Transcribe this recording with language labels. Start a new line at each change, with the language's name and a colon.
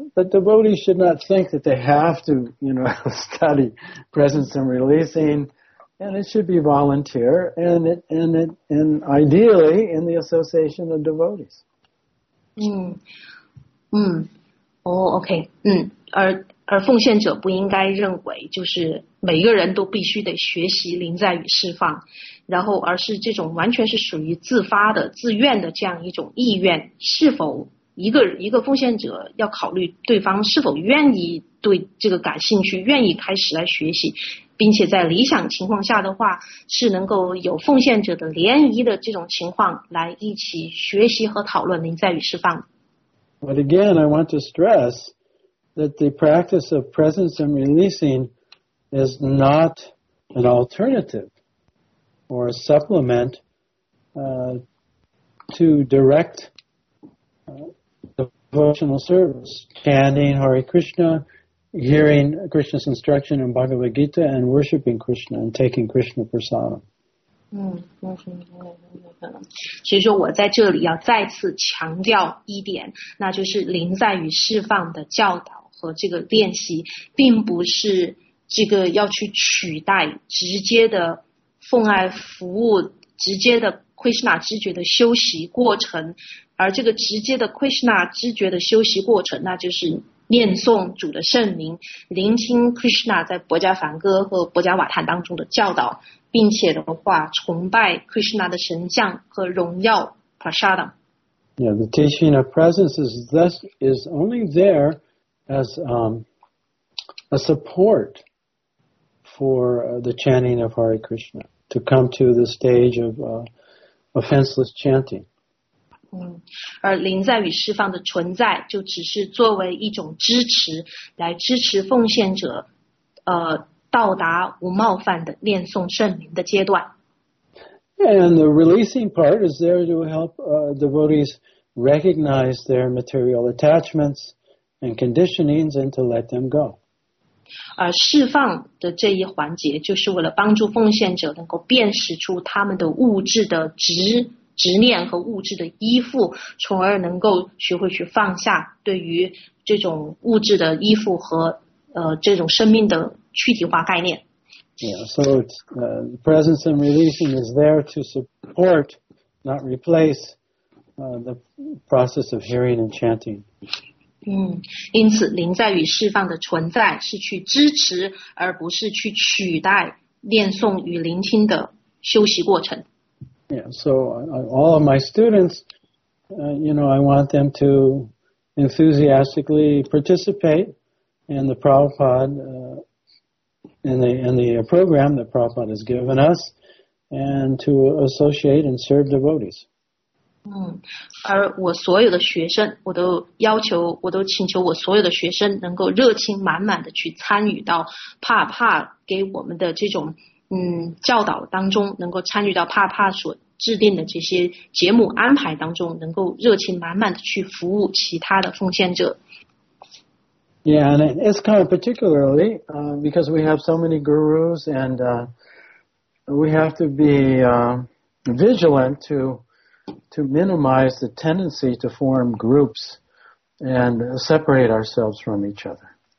English: devotees should not think that they have to, you know, study presence and releasing, and it should be volunteer, and ideally in the association of devotees.
Chinese: 而奉献者不应该认为就是每一个人都必须得学习临在与释放，然后而是这种完全是属于自发的、自愿的这样一种意愿，是否一个奉献者要考虑对方是否愿意对这个感兴趣、愿意开始来学习，并且在理想情况下的话，是能够有奉献者的联谊的这种情况来一起学习和讨论临在与释放。But
English: again, I want to stress that the practice of presence and releasing is not an alternative or a supplement to direct devotional service, chanting Hare Krishna, hearing Krishna's instruction in Bhagavad Gita, and worshiping Krishna and taking Krishna prasadam.
Chinese: 所以说我在这里要再次强调一点，那就是临在与释放的教导和这个练习，并不是这个要去取代直接的奉爱服务，直接的 Krishna 知觉的修习过程。而这个直接的 Krishna 知觉的修习过程，那就是念诵主的圣名，聆听 Krishna 在《薄伽梵歌》和《薄伽瓦坛》当中的教导，并且的话崇拜 Krishna 的神像和荣耀 Prasadam。
English: Yeah, the teaching of presence is thus is only there as a support for the chanting of Hare Krishna to come to the stage of offenseless chanting。
Chinese: 而临在与释放的存在就只是作为一种支持，来支持奉献者到达无冒犯的念诵圣名的阶段。
English: And the releasing part is there to help devotees recognize their material attachments and conditionings and to let them go.
Chinese: 而释放的这一环节就是为了帮助奉献者能够辨识出他们的物质的执念和物质的依附，从而能够学会去放下对于这种物质的依附和这种生命的具体化概念。
English: Yeah, so it's, presence and releasing is there to support, not replace, the process of hearing and chanting.
Chinese: 因此临在与释放的存在是去支持而不是去取代念诵与聆听的修习过程。
English: Yeah, so all of my students, you know, I want them to enthusiastically participate in the Prabhupada, in the program that Prabhupada has given us, and to associate and serve devotees.
Chinese: 而我所有的学生，我都要求，我都请求我所有的学生能够热情满满的去参与到帕帕给我们的这种教导当中，能够参与到帕帕所制定的这些节目安排当中，能够热情满满的去服务其他的奉献者。
English: Yeah, and it's kind of particularly because we have so many gurus, and we have to be vigilant to minimize the tendency to form groups and separate ourselves from each other.